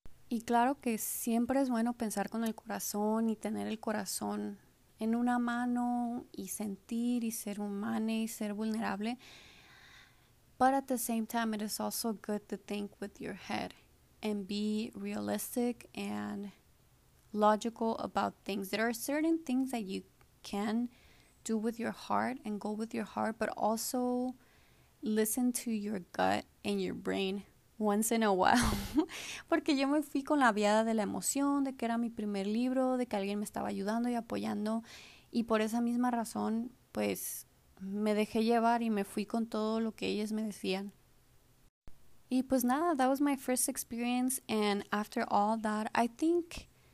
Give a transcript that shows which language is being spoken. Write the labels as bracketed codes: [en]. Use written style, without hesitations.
[es] Y claro que siempre es bueno pensar con el corazón y tener el corazón en una mano y sentir y ser humana y ser vulnerable, [en] but at the same time it is also good to think with your head and be realistic and logical about things. There are certain things that you can do with your heart and go with your heart, but also listen to your gut and your brain once in a while. [es] Porque yo me fui con la viada de la emoción, de que era mi primer libro, de que alguien me estaba ayudando y apoyando, y por esa misma razón, pues, me dejé llevar y me fui con todo lo que ellas me decían. Y pues nada, [en] that was my first experience, and after all that, I think